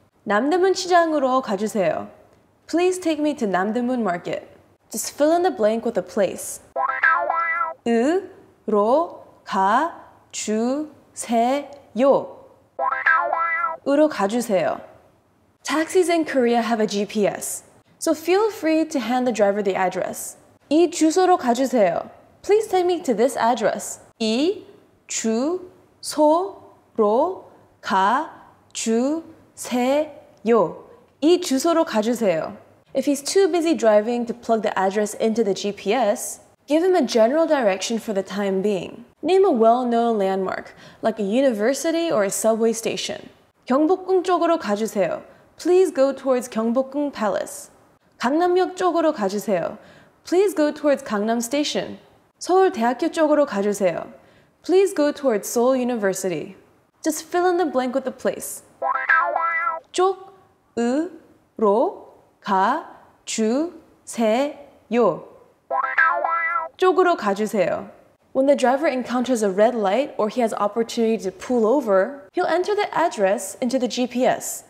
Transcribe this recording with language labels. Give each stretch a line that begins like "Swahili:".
Korean: 남대문 시장으로 가주세요.
English: Please take me to 남대문 market. Just fill in the blank with a place.
Korean: 으로 가주세요. 으로 가주세요.
English: Taxis in Korea have a GPS, so feel free to hand the driver the address.
Korean: 이 주소로 가주세요.
English: Please take me to this address.
Korean: 이 주소로 가주세요. 이 주소로 가주세요.
English: If he's too busy driving to plug the address into the GPS, give him a general direction for the time being. Name a well-known landmark, like a university or a subway station.
Korean: 경복궁 쪽으로 가주세요.
English: Please go towards 경복궁 Palace.
Korean: 강남역 쪽으로 가주세요.
English: Please go towards 강남 Station.
Korean: 서울대학교 쪽으로 가주세요.
English: Please go towards Seoul University. Just fill in the blank with the place.
Korean: 쪽으로 가주세요. 쪽으로 가주세요.
English: When the driver encounters a red light or he has opportunity to pull over, he'll enter the address into the GPS.